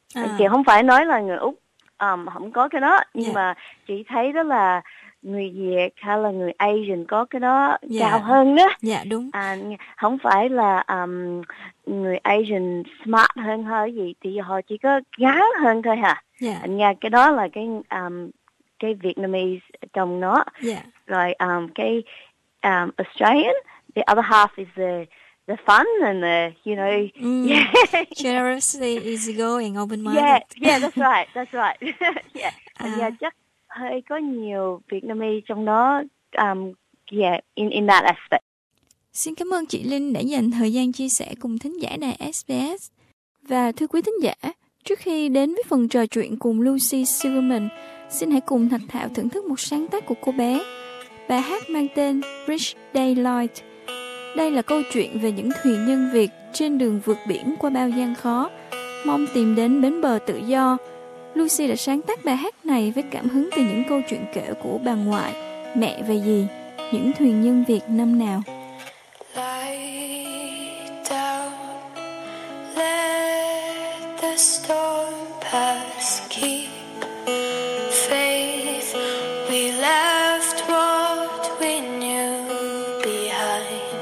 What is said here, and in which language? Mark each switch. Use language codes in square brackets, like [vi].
[vi] Chị không phải nói là người Úc không có cái đó, nhưng mà chị thấy đó là người Việt hay là người Asian có cái đó cao hơn đó. Không phải là người Asian smart hơn hay gì, thì họ chỉ có gán hơn thôi hả. Cái đó là cái Vietnamese trong nó. [en] Rồi Australian, the other half is the fun and the, you know, generously easygoing, open-minded. That's right. [vi] Chắc hơi có nhiều Vietnamese trong đó, [en] in that aspect. [vi] Xin cảm ơn chị Linh đã dành thời gian chia sẻ cùng thính giả đài SBS. Và thưa quý thính giả, trước khi đến với phần trò chuyện cùng Lucy Silverman, xin hãy cùng Thạch Thảo thưởng thức một sáng tác của cô bé. Bài hát mang tên Rich Daylight. Đây là câu chuyện về những thuyền nhân Việt trên đường vượt biển qua bao gian khó, mong tìm đến bến bờ tự do. Lucy đã sáng tác bài hát này với cảm hứng từ những câu chuyện kể của bà ngoại, mẹ và dì, những thuyền nhân Việt năm nào. [en] Light down, let the storm pass, keep faith, we left what we knew behind.